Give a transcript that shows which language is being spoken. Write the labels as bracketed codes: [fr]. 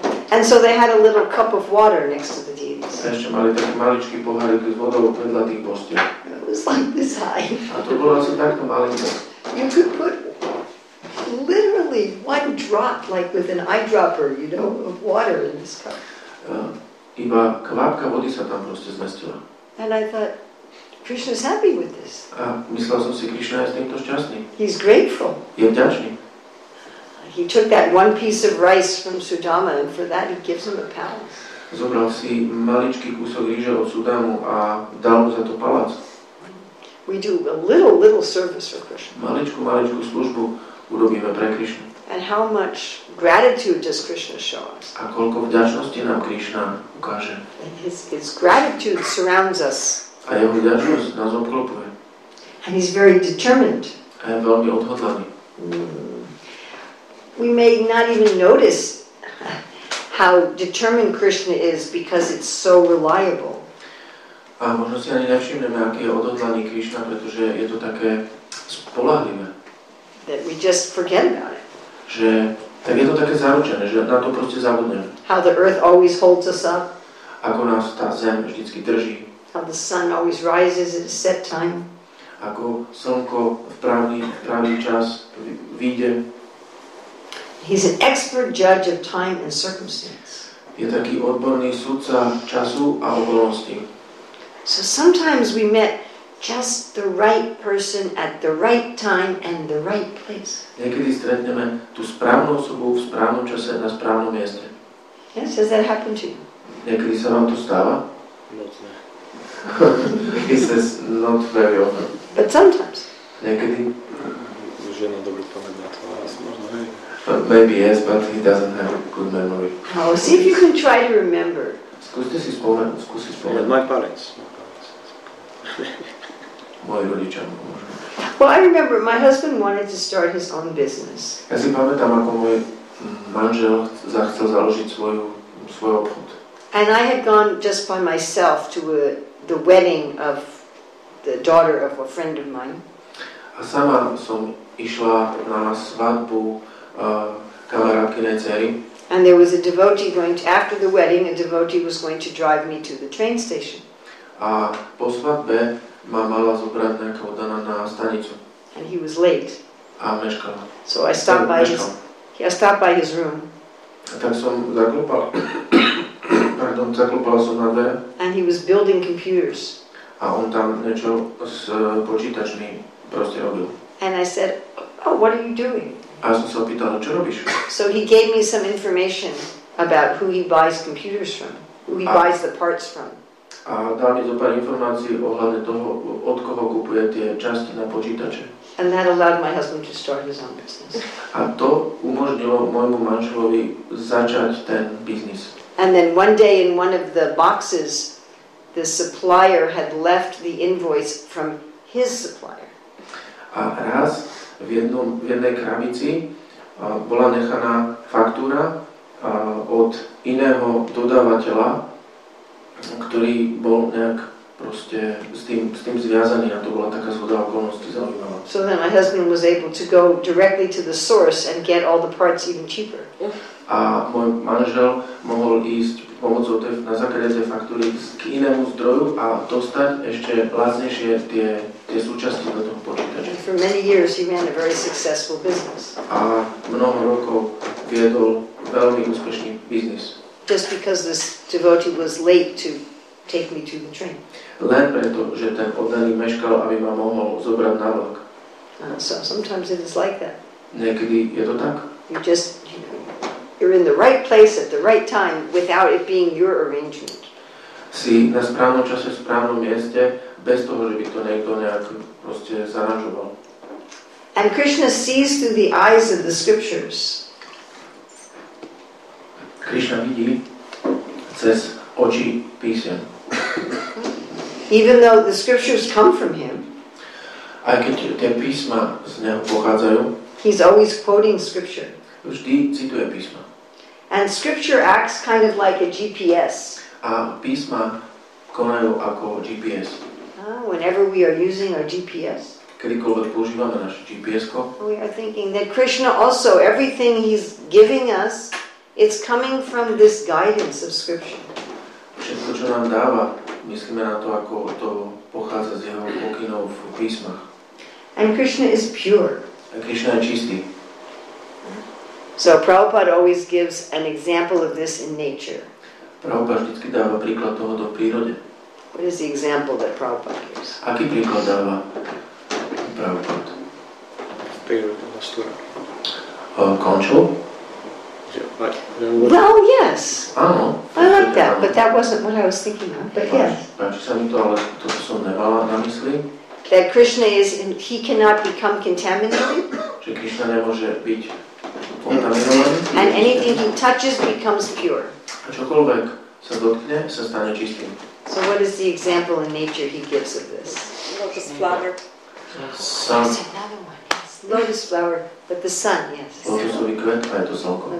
[en] And so they had a little cup of water next to the deities. [sk] A ešte mali taký maličký pohárik s vodou vedľa tých božstiev. [en] It was like this high. [sk] A to bolo asi takto maličké. [en] You could put literally one drop, like with an eyedropper, you know, of water in this cup. [sk] Iba kvapka vody sa tam proste zmestila. [en] And I thought, Krishna's happy with this. [sk] A myslel som si, Krishna je s týmto šťastný. [en] He's grateful. [sk] Je vďačný. [en] He took that one piece of rice from Sudama and for that he gives him a palace. [sk] Zobral si maličký kúsok rýže od Sudamu a dal mu za to palác. [en] We do a little service for Krishna. [sk] Maličku službu urobíme pre Krishnu. [en] And how much gratitude does Krishna show us? [sk] A koľko vďačnosti nám Krishna ukáže? [en] His gratitude surrounds us. [sk] A jeho vďačnosť nás obklopuje. [en] And he's very determined. [sk] A je veľmi odhodlaný. [en] We may not even notice how determined Krishna is because it's so reliable. [sk] A možno si ani nevšimneme, aký je odhodlaný Krishna, pretože je to také spoľahlivé. [en] That we just forget about it. [sk] Že tak je to také zaručené, že na to proste zabudneme. [en] How the earth always holds us up. [sk] Ako nás tá zem vždycky drží. [en] How the sun always rises at a set time. [sk] Ako slnko v pravý čas vyjde. [en] He's an expert judge of time and circumstance. [sk] Je taký odborný sudca času a okolností. [en] So sometimes we met just the right person at the right time and the right place. [sk] Niekedy stretneme tú správnu osobu v správnom čase na správnom mieste. [en] Yes, has that happened to you? [sk] Niekedy sa vám to stáva? [en] Not It says not very often. But sometimes. [sk] Niekedy. Žena dobrý pamäť na to, ale možno aj. [en] Maybe yes, but he doesn't have a good memory. Oh, see if you can try to remember. [sk] Skúste si spomenúť, skúste si spomenúť. [en] My parents. [sk] Moji rodičia. [en] Well, I remember my husband wanted to start his own business. [sk] Ja si pamätám, ako môj manžel chcel založiť svoj obchod. [en] And I had gone just by myself to the wedding of the daughter of a friend of mine. [sk] A sama som išla na svadbu kamarátkynej dcery. [en] And there was a devotee going to, after the wedding, a devotee was going to drive me to the train station. [sk] A po svadbe ma mala zobrať nejaká oddaná na stanicu. [en] And he was late. [sk] A meškala. [en] So I stopped by his room. [sk] A tak som zaklopal pardon, zaklopal som na dve. [en] And he was building computers. [sk] A on tam niečo s počítačmi proste robil. [en] And I said, oh, what are you doing? [sk] A som sa pýtal, čo robíš? [en] So he gave me some information about who he buys computers from, who he buys the parts from. [sk] A dal mi zo pár informácií ohľadne toho, od koho kupuje tie časti na počítače. [en] And that allowed my husband to start his own business. [sk] A to umožnilo môjmu manželovi začať ten biznis. [en] And then one day in one of the boxes, the supplier had left the invoice from his supplier. [sk] A raz v jednom, v jednej krabici bola nechaná faktúra od iného dodávateľa, ktorý bol nejak proste s tým zviazaný, a to bola taká zhoda okolností zaujímavá. [en] So then my husband was able to go directly to the source and get all the parts even cheaper. [sk] A môj manžel mohol ísť pomocou tej, na základe tej faktúry k inému zdroju a dostať ešte lacnejšie tie súčasti do toho počítača. [en] For many years he ran a very successful business. [sk] A mnoho rokov viedol veľmi úspešný biznis. [en] Just because this devotee was late to take me to the train. [sk] Len preto, že ten oddaný meškal, aby ma mohol zobrať na vlak. [en] So sometimes it is like that. [sk] Niekedy je to tak. [en] You just, you're in the right place at the right time without it being your arrangement. [sk] Si na správnom čase, v správnom mieste, bez toho, že by to niekto nejak proste zaranžoval. [en] And Krishna sees through the eyes of the scriptures. [sk] Krishna vidí cez oči písem. [en] Even though the scriptures come from him, [sk] aj keď tie písma z neho pochádzajú, [en] he's always quoting scripture. [sk] Vždy cituje písma. [en] And scripture acts kind of like a GPS. [sk] A písma konajú ako GPS. [en] Whenever we are using our GPS, [sk] kedykoľvek používame naše GPS-ko, [en] we are thinking that Krishna also, everything he's giving us, it's coming from this guidance of scripture. [sk] Všetko, čo nám dáva, myslíme na to, ako to pochádza z jeho pokynov v písmach. [en] And Krishna is pure. [sk] A Krishna je čistý. [en] So Prabhupada always gives an example of this in nature. [sk] Prabhupada vždycky dáva príklad tohoto v prírode. [en] What is the example that Prabhupada gives? [sk] Aký príklad dáva Prabhupada? V prírode, na stvore. Končil? [en] Well, yes. [sk] Áno. [en] I like that, but that wasn't what I was thinking of. But yes. [sk] Páči sa mi to, ale to som nemala na mysli. [en] That Krishna is, and he cannot become contaminated. [sk] Že Krishna nemôže byť kontaminovaný. [en] And anything he touches becomes pure. [sk] A čokoľvek sa dotkne, sa stane čistým. [en] So what is the example in nature he gives of this? Lotus flower. There's another one. Lotus flower, but the sun, yes. [sk] Lotusový kvet, a je to slnko.